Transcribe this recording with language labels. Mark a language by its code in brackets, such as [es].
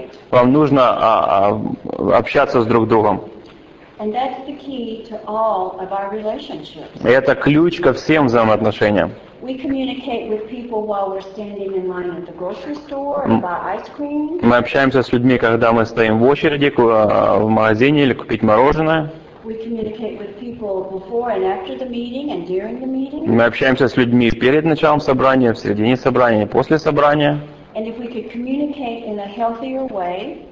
[ru] Вам нужно общаться с друг другом. [en] And that's the key to all of our relationships. [ru] Это ключ ко всем взаимоотношениям. [en] We communicate with people while we're standing in line at the grocery store or buy ice cream. [ru] Мы общаемся с людьми, когда мы стоим в очереди в магазине или купить мороженое. [en] We communicate with people before and after the meeting and during the meeting. [ru] Мы общаемся с людьми перед началом собрания, в середине собрания, после собрания. [en] And if we could communicate in a healthier way.